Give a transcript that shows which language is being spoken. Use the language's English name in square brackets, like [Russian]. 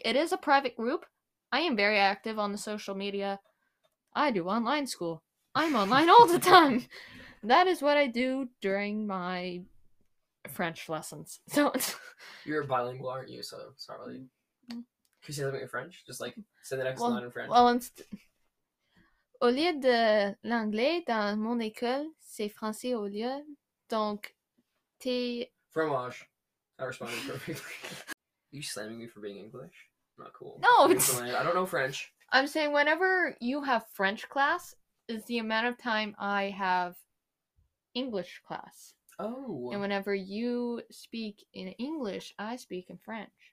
[English] It is a private group. I am very active on the social media. I do online school. I'm online all the time. That is what I do during my French lessons. So you're bilingual, aren't you? So it's not really... Can you say something in French? Just like say the next line in French. [French] Well, au lieu de l'anglais dans mon école, c'est français au lieu. Donc, [English] Fromage. I responded perfectly. Are you slamming me for being English? Not cool. No! I don't know French. I'm saying whenever you have French class is the amount of time I have English class. Oh. And whenever you speak in English, I speak in French.